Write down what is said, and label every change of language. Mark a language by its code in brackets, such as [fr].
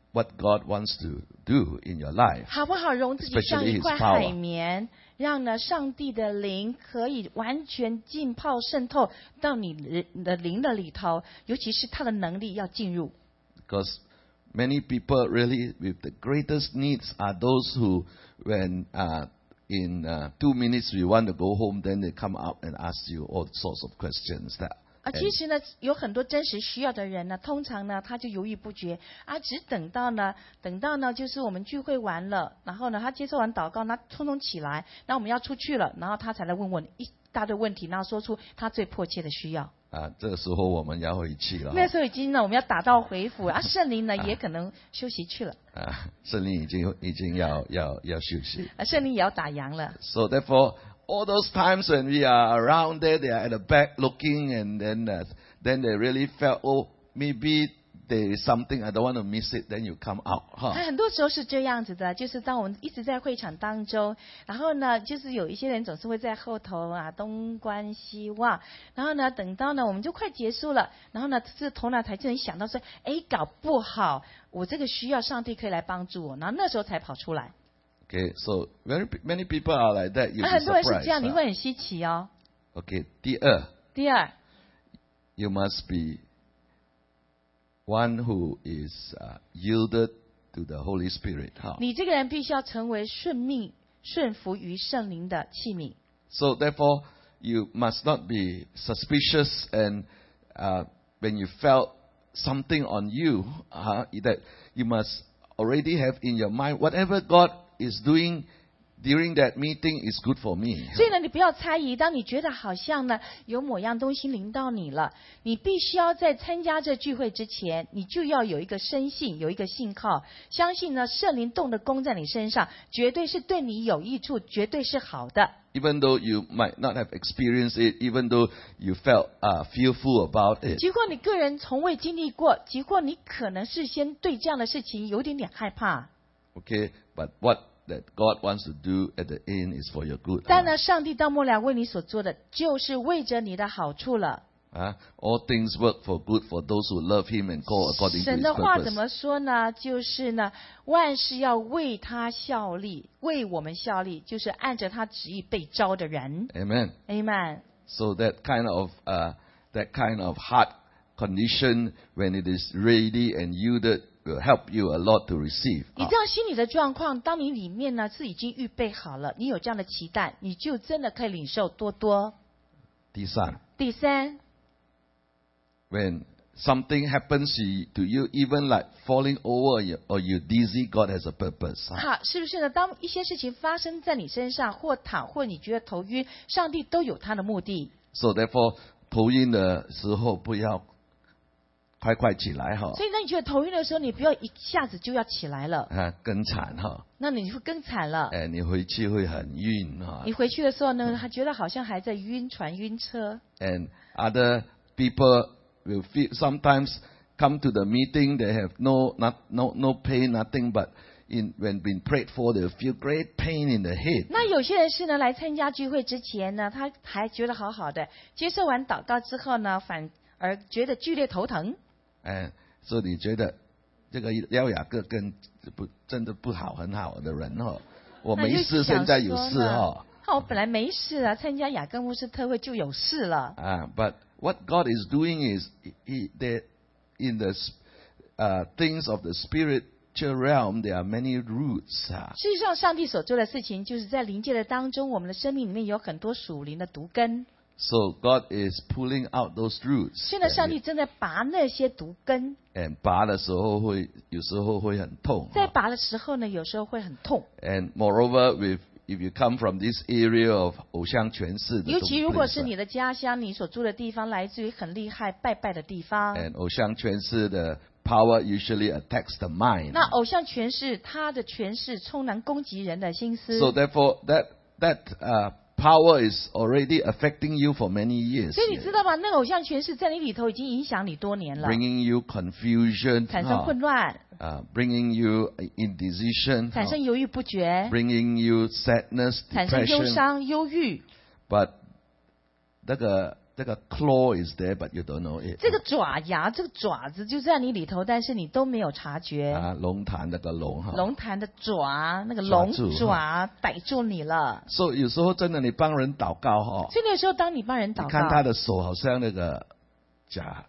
[en] what God wants to do in your life. [zh] 好不好容自己像一块海绵，让呢上帝的灵可以完全浸泡渗透到你的灵的里头，尤其是他的能力要进入。 [en] Because many people really with the greatest needs are those who when in 2 minutes we want to go home, then they come up and ask you all sorts of questions that. [zh] 其实呢，有很多真实需要的人呢，通常呢，他就犹豫不决啊，只等到呢，就是我们聚会完了，然后呢，他接受完祷告，那匆匆起来，那我们要出去了，然后他才来问我一大堆问题，然后说出他最迫切的需要。啊，这个时候我们要回去了。那时候已经呢，我们要打道回府啊，圣灵呢也可能休息去了。啊，圣灵已经要休息。啊，圣灵也要打烊了。 [en] So therefore. All those times when we are around there, they are at the back looking, and then they really felt, oh, maybe there is something I don't want to miss it. Then you come out. [zh] 很多时候是这样子的，就是当我们一直在会场当中，然后呢，就是有一些人总是会在后头啊东观西望，然后呢，等到呢我们就快结束了，然后呢，这头脑才真的想到说，哎，搞不好我这个需要上帝可以来帮助我，然后那时候才跑出来。 [en] Okay, so very many people are like that. You'll be surprised. [zh] 很多人是这样，你会很稀奇哦。 [en] Okay, [zh] 第二 [en] you must be one who is yielded to the Holy Spirit. [zh] 你这个人必须要成为顺服于圣灵的器皿。 [en] So therefore, you must not be suspicious and when you felt something on you, that you must already have in your mind whatever God. Is doing during that meeting is good for me. [zh] 所以呢，你不要猜疑。当你觉得好像呢有某样东西临到你了，你必须要在参加这聚会之前，你就要有一个深信，有一个信靠，相信呢圣灵动的工在你身上，绝对是对你有益处，绝对是好的。 [en] Even though you might not have experienced it, even though you felt fearful about it. [zh] 尽管你个人从未经历过，尽管你可能事先对这样的事情有点害怕。 [en] Okay. But what that God wants to do at the end is for your good. [zh] 但呢，上帝到末了为你所做的，就是为着你的好处了。 [en] All things work for good for those who love Him and call according to His purpose. [zh] 神的话怎么说呢？就是呢，万事要为他效力，为我们效力，就是按着他旨意被召的人。 [en] Amen. Amen. So that kind of heart condition when it is ready and yielded. Will help you a lot to receive. [zh] 你这样心里的状况，当你里面呢是已经预备好了，你有这样的期待，你就真的可以领受多多。第三 [en] ，When something happens to you, even like falling over or you dizzy, God has a purpose. [zh] 好，是不是呢？当一些事情发生在你身上，或躺，或你觉得头晕，上帝都有他的目的。 [en] So therefore, [zh] 头晕的时候不要。快快起来哈！所以那你觉得头晕的时候，你不要一下子就要起来了。啊，更惨哈！那你会更惨了。哎，你回去会很晕哈。你回去的时候呢，还觉得好像还在晕船、晕车。 [en] And other people will feel sometimes come to the meeting, they have no pain, nothing but. When being prayed for, they feel great pain in the head. [zh] 那有些人是呢，来参加聚会之前呢，他还觉得好好的，接受完祷告之后呢，反而觉得剧烈头疼。所以你觉得这个廖雅各跟真的不好，很好的人哦，我没事，现在有事哦。那我本来没事啊，参加雅各牧师特会就有事了。 [en] But what God is doing is in the things of the spirit. Realm, there are many roots. [zh] 事实上，上帝所做的事情，就是在灵界的当中，我们的生命里面有很多属灵的毒根。 [en] So God is pulling out those roots. [zh] 现在上帝正在拔那些毒根。 [en] And [zh] 拔的时候会有时候会很痛。在拔的时候呢，有时候会很痛。 [en] And moreover, if you come from this area of [zh] 偶像权势，尤其如果是你的家乡，你所住的地方来自于很厉害拜拜的地方。 [en] And [zh] 偶像权势的。 [en] Power usually attacks the mind. [zh] 那偶像权势，他的权势充满攻击人的心思。 [en] So therefore, that power is already affecting you for many years. [zh] 所以你知道吗？那个偶像权势在你里头已经影响你多年了。 [en] Bringing you confusion, [zh] 产生混乱。 [en] Bringing you indecision, [zh] 产生犹豫不决。 [en] Bringing you sadness, [zh] 产生忧伤、忧郁。 [en] But [zh] 那个这个 [en] claw is there, but you don't know it. [zh] 这个爪牙，这个爪子就在你里头，但是你都没有察觉。啊，龙潭那个龙哈。龙潭的爪，那个龙爪逮住你了。所以有时候真的，你帮人祷告哈。所以那时候，当你帮人祷告，你看他的手好像那个甲。